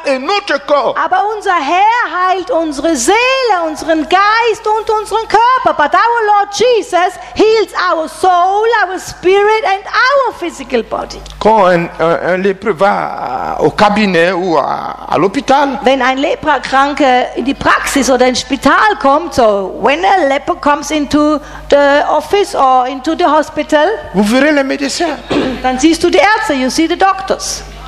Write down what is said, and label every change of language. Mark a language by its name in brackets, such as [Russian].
[German] Aber unser Herr heilt unsere Seele, unseren Geist und unseren Körper. [English] But our Lord Jesus heals our soul, our spirit and our physical body. [French] Quand un lépreux va au cabinet ou à l'hôpital, [German] wenn ein Leprakranke in die Praxis oder ins Spital kommt, [English] so when a leper comes into the office or into the hospital, [French] vous verrez les médecins. [German] Dann siehst du die Ärzte. [English] You see the doctors.